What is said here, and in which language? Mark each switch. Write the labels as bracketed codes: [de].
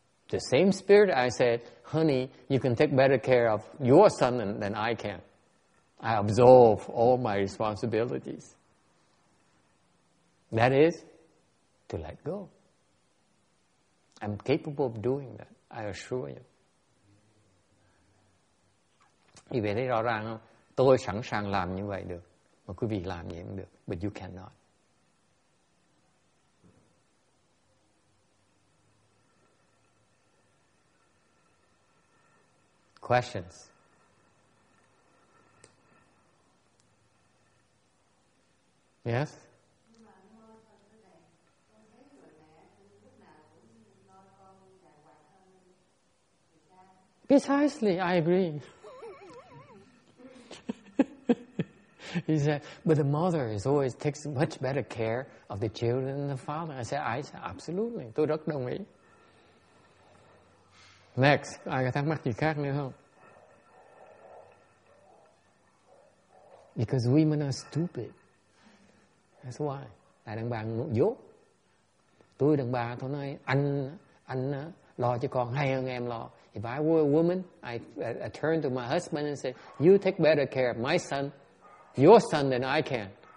[en] The same spirit, I said, honey, you can take better care of your son than I can. I absolve all my responsibilities. That is to let go. I'm capable of doing that, I assure you. [vi] Quý vị thấy rõ ràng không? Tôi sẵn sàng làm như vậy được, mà quý vị làm như vậy cũng được. [en] But you cannot. Questions. Yes? Precisely, I agree. He said, but the mother is always takes much better care of the children than the father. I said, absolutely. [vi] Tôi rất đồng ý. Next, ai có thắc mắc gì khác nữa không? [en] Because women are stupid. That's why. [vi] Tại đàn bà ngu dốt. tôi đàn bà tôi nói anh lo cho con hay hơn em lo. [en] If I were a woman, I turned to my husband and said, you take better care of my son, your son, than I can.